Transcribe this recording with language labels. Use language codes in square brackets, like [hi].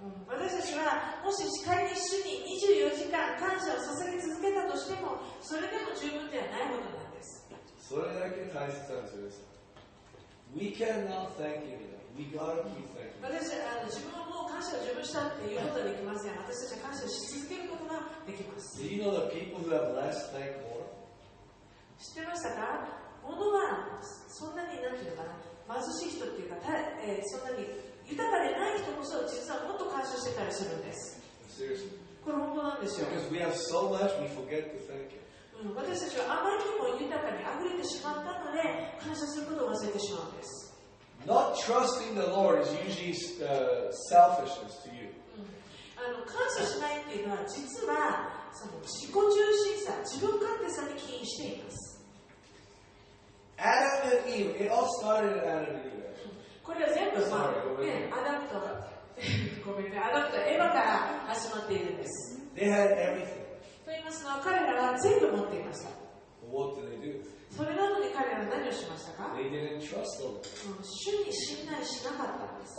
[ja] 私たちはもし仮に主に24時間感謝を捧げ続けたとしても、それでも十分ではないことなんです。それだけ大切なんです。 [en] We cannot thank him enough. We gotta keep thanking. [ja] 私は自分はもう感謝を十分したっていうことはできません。私たちは感謝をし続けることができます。 [en] Do you know that people who have less thank more? [ja] 知ってましたか？物はそんなになんていうのかな、貧しい人っていうか、そんなに豊かでない人こそ実はもっと感謝してたりするんです。 [en] Seriously. [ja] これ本当なんですよ。 [en] Because we have so much, we forget to thank it. [ja] 私たちはあまりにも豊かに溢れてしまったので感謝することを忘れてしまうんです。 [en] Not trusting the Lord is usually selfishness to you. [ja] 感謝しないっていうのは実はその自己中心さ、自分勝手さに起因しています。 [en] Adam and Eve, it all started at Adam and Eve. [ja] これは全部まあ、ね、アダムとごめんね、アダムとエヴァから始まっているんです。 [en] They had everything. [ja] と言いますのは彼らは全部持っていました。 [en] What did they do? [ja] それなのに彼らは何をしましたか？ [en] They didn't trust them. [ja] 主に信頼しなかったんです。